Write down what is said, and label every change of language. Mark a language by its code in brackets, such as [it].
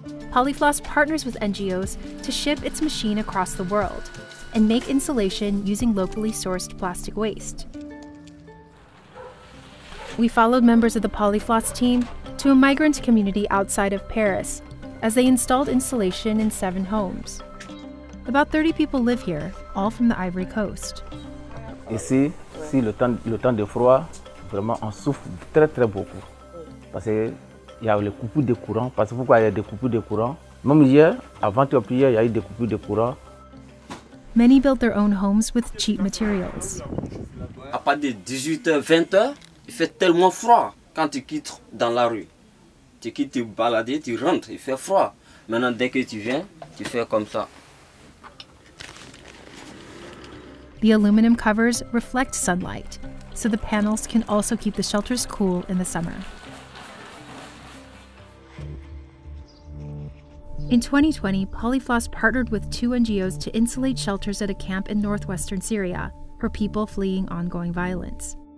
[en] Polyfloss partners with NGOs to ship its machine across the world and make insulation using locally sourced plastic waste. We followed members of the Polyfloss team to a migrant community outside of Paris as they installed insulation in 7 homes. About 30 people live here, all from the Ivory Coast. [fr] Ici, si le temps de froid, vraiment on souffre très très beaucoup. Parce que il y a les coupures de courant, parce que pourquoi il y a des coupures de courant? Même hier, avant tout hier, il y a eu des coupures de courant. [en] Many built their own homes with cheap materials. [fr] À partir de 18h 20h il fait tellement froid quand tu quittes dans la rue. Tu quittes, tu balades, tu rentres, il fait froid. Maintenant, dès que tu viens, tu fais comme ça. [en] The aluminum covers reflect sunlight, so the panels can also keep the shelters cool in the summer. In 2020, Polyfloss partnered with 2 NGOs to insulate shelters at a camp in northwestern Syria for people fleeing ongoing violence.